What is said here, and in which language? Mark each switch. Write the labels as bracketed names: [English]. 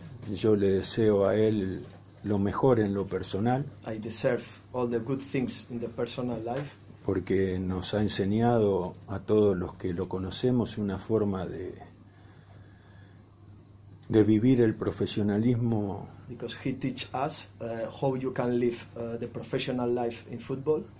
[Spanish] Yo le deseo a él lo mejor en lo personal. [English] I deserve all the good things in the personal life. [Spanish] Porque nos ha enseñado a todos los que lo conocemos una forma de vivir el profesionalismo. [English] Because he teach us how you can live the professional life in football.